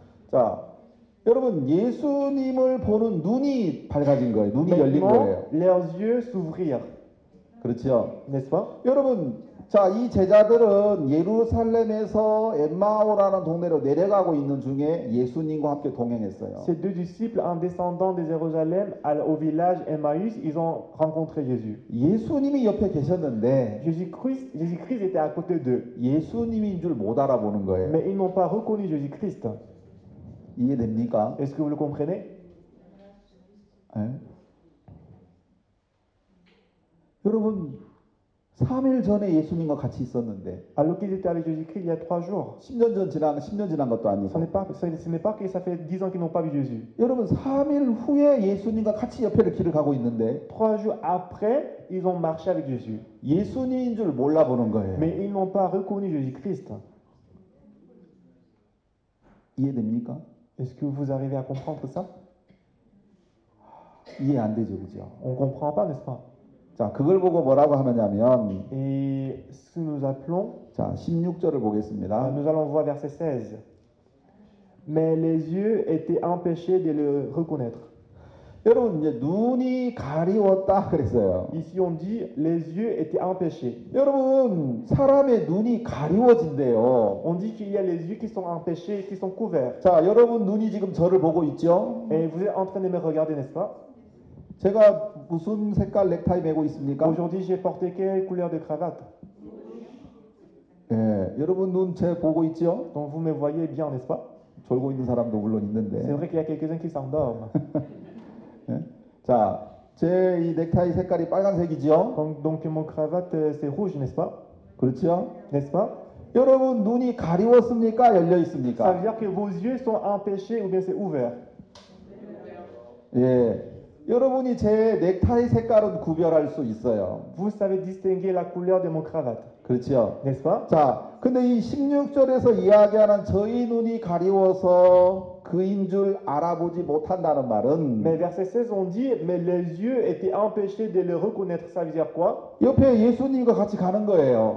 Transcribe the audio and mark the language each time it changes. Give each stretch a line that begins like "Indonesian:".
Korean: 자, 여러분 예수님을 보는 눈이 밝아진 거예요. 눈이 열린 거예요.
French: Leurs yeux s'ouvrirent.
Korean: 그렇죠.
French: N'est-ce pas?
Korean: 여러분, 자, 이 제자들은 예루살렘에서 엠마오라는 동네로 내려가고 있는 중에 예수님과 함께 동행했어요.
French: Ces deux disciples en descendant de Jérusalem au village Emmaüs, ils ont rencontré Jésus.
Korean: 예수님이 옆에 계셨는데
French: Jésus-Christ était à côté d'eux.
Korean: 예수님인 줄 못 알아보는 거예요.
French: Mais ils n'ont pas reconnu Jésus-Christ.
Korean: 이해됩니까?
French: Est-ce que vous le comprenez?
Korean: 여러분, 3일 전에 예수님과 같이 있었는데.
French: Alors qu'il était avec Jésus-Christ il y a 3 jours.
Korean: 10년 전 것도 아니고.
French: Ce n'est pas que ça fait 10 ans qu'ils n'ont pas vu Jésus.
Korean: 여러분, 3일 후에 예수님과 같이 옆에 길을 가고 있는데.
French: 3 jours après, ils ont marché avec Jésus.
Korean: 예수님인 줄 몰라 보는 거예요.
French: Mais ils n'ont pas reconnu Jésus-Christ.
Korean: 이해됩니까?
French: Est-ce que vous arrivez à comprendre ça?
Korean: 이해 안 되죠, 그죠?
French: On comprend pas, n'est-ce pas?
Korean: 자, 그걸 보고 뭐라고 하느냐면
French: Et ce nous appelons
Korean: 자, 16절을 보겠습니다.
French: Nous allons voir verset 16. Mais les yeux étaient empêchés de le reconnaître.
Korean: 여러분, 이제 눈이 가리웠다 그랬어요.
French: Ici on dit les yeux étaient empêchés.
Korean: 여러분, 사람의 눈이 가리워진대요.
French: On dit qu'il y a les yeux qui sont empêchés, qui sont couverts.
Korean: 자, 여러분 눈이 지금 저를 보고 있죠?
French: Et vous êtes en train de me regarder, n'est-ce pas?
Korean: 제가 무슨 색깔 넥타이 메고 있습니까?
French: Aujourd'hui, j'ai porté quelle couleur de cravate?
Korean: 여러분 눈치 보고 있죠?
French: Donc vous me voyez bien, n'est-ce pas?
Korean: 졸고 있는 사람도 물론 있는데.
French: C'est vrai qu'il y a quelques-uns qui s'endorment.
Korean: 자, 제 이 넥타이 색깔이 빨간색이죠?
French: Donc mon cravate c'est rouge, n'est-ce pas?
Korean: 그렇죠?
French: N'est-ce pas?
Korean: 여러분 눈이 가리웠습니까? 열려 있습니까?
French: Ça veut dire que vos yeux sont empêchés ou bien c'est ouvert?
Korean: 예. 여러분이 제 넥타이 색깔은 구별할 수 있어요.
French: Vous savez distinguer la couleur de mon cravate.
Korean: 그렇죠.
French: N'est-ce pas?
Korean: 자, 근데 이 16절에서 이야기하는 저희 눈이 가리워서 그인 줄 알아보지 못한다는 말은
French: Mais verset 16 on dit mais les yeux étaient empêchés de le reconnaître, ça veut dire quoi?
Korean: 옆에 예수님과 같이 가는 거예요.